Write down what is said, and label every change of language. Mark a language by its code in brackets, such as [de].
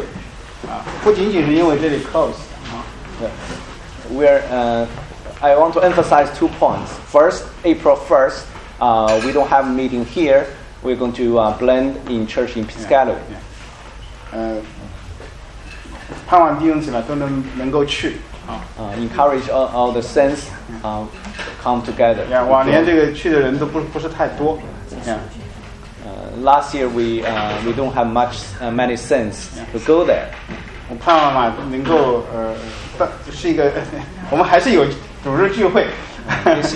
[zh] 我想补充，加强一下两点。一点就是下个4月1号主日聚会，不仅仅是因为这里 close [en] 啊。I want to emphasize two points. First, April 1st, we don't have a meeting here. We're going to blend in church in Piscataway. [zh] Yeah, yeah. 盼望弟兄姊妹都能够去，encourage [en] all the saints come together. [zh] Yeah, 往年这个去的人都不是太多。Last [en] year we don't have many saints to go there. [zh] 我盼望能够是一个，我们还是有主日聚会。This